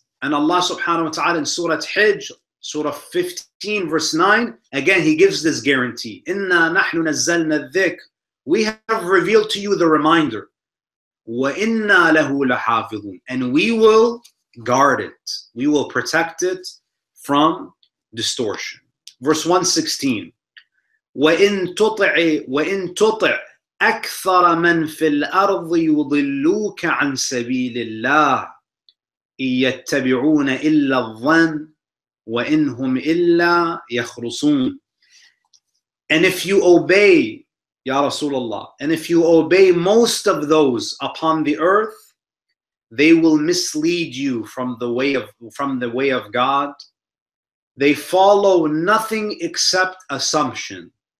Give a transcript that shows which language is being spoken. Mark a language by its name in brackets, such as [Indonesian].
[English] And Allah subhanahu wa ta'ala in Surah Hijj, Surah 15, verse 9, again, He gives this guarantee. [Arabic] إِنَّا نَحْنُ نَزَّلْنَا الذِّكْرَ, [English] we have revealed to you the reminder. [Arabic] وَإِنَّا لَهُ لَحَافِظُونَ, [English] and we will guard it. We will protect it from distortion. Verse 116. [Arabic] وَإِن تُطِعْ أَكْثَرَ مَن فِي الْأَرْضِ يُضِلُّوكَ عَن سَبِيلِ اللَّهِ إِن يَتَّبِعُونَ إِلَّا الظَّنَّ وَإِن هُمْ إِلَّا يَخْرُصُونَ. [English] And if you obey, [Arabic] Ya Rasulullah. [English] And if you obey most of those upon the earth, they will mislead you from the way of God. They follow nothing except assumption.